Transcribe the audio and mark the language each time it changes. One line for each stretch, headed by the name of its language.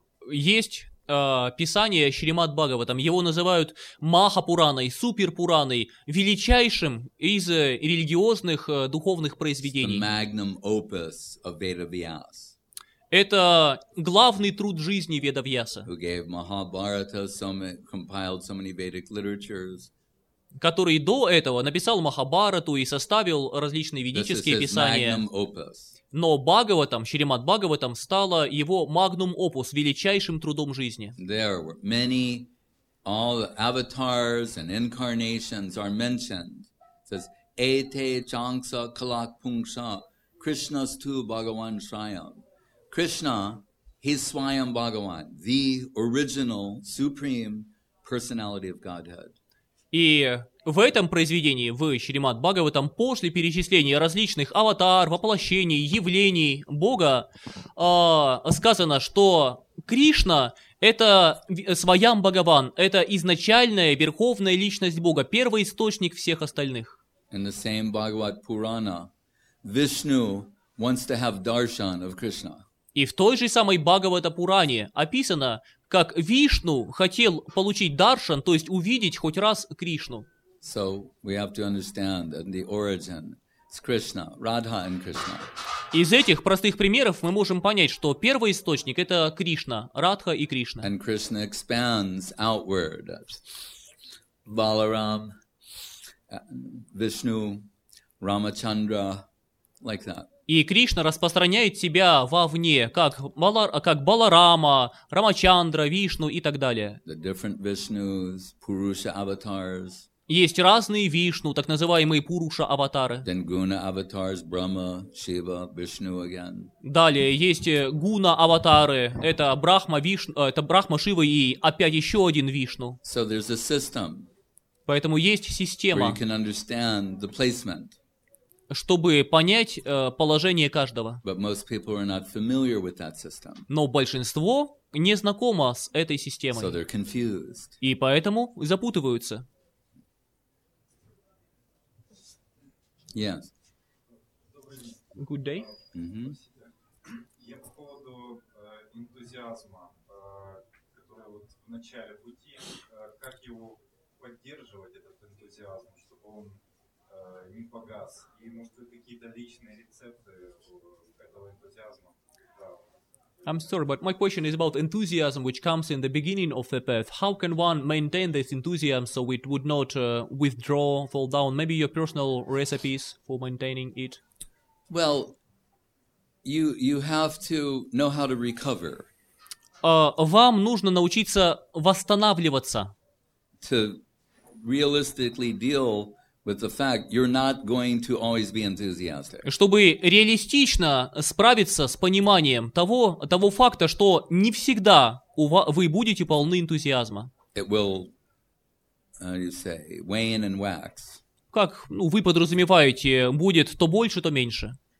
Russian: Есть писание Шримад Бхагаватам. Его называют Махапураной, Суперпураной, величайшим из религиозных духовных произведений.
English: The magnum opus of Vedavyas.
Russian: Это главный труд жизни Ведавьяса,
English: who gave Mahabharata, compiled so many Vedic literatures,
Russian: который до этого написал Махабхарату и составил различные ведические писания.
English: This is his magnum opus.
Russian: Но Бхагаватам, Шримад Бхагаватам, стало его magnum opus, величайшим трудом жизни.
English: There were many, all the avatars and incarnations are mentioned. It says,
Sanskrit: Ete Changsa Kalak Pungsa, Krishna's Tu Bhagavan Shriyam.
English: Krishna, he's Swayam Bhagavan, the original supreme personality of Godhead.
Russian: И в этом произведении, в Шримад Бхагаватам, после перечисления различных аватар, воплощений, явлений Бога, сказано, что Кришна — это Свайам Бхагаван, это изначальная верховная личность Бога, первый источник всех остальных.
English: In the same Bhagavad Purana, Vishnu wants to have darshan of Krishna.
Russian: И в той же самой Бхагавата-пуране описано, как Вишну хотел получить даршан, то есть увидеть хоть раз Кришну.
English: So we have to understand that the origin is Krishna, Radha and Krishna.
Russian: Из этих простых примеров мы можем понять, что первый источник — это Кришна, Радха и Кришна.
English: And Krishna expands outward. Balaram, Vishnu, Ramachandra, like that.
Russian: И Кришна распространяет себя вовне, как Баларама, Рамачандра, Вишну и так далее.
English: The different Vishnus, Purusha avatars.
Russian: Есть разные Вишну, так называемые Пуруша-аватары.
English: Then guna avatars, Brahma, Shiva, Vishnu again.
Russian: Далее есть гуна-аватары, это Брахма, Вишну, это Брахма, Шива и опять еще один Вишну.
English: So there's a system.
Russian: Поэтому есть система,
English: where you can understand the placement.
Russian: Чтобы понять положение каждого.
English: But most people are not familiar with that system.
Russian: Но большинство не знакомо с этой системой.
English: So they're confused.
Russian: И поэтому запутываются.
English: Yes. Good day. Mm-hmm.
Russian: Я по поводу энтузиазма, который вот в начале пути, как его поддерживать, этот энтузиазм, чтобы он не погас? И может быть какие-то личные рецепты этого энтузиазма?
English: I'm sorry, but my question is about enthusiasm, which comes in the beginning of the path. How can one maintain this enthusiasm so it would not withdraw, fall down? Maybe your personal recipes for maintaining it? Well, you have to know how to recover.
Russian: Вам нужно научиться восстанавливаться.
English: To realistically deal with the fact you're not going to always be enthusiastic.
Russian: Чтобы реалистично справиться с пониманием того факта, что не всегда вы будете полны энтузиазма.
English: It will, how do you say, wane and wax.
Russian: Как, ну, вы подразумеваете, будет то больше, то меньше.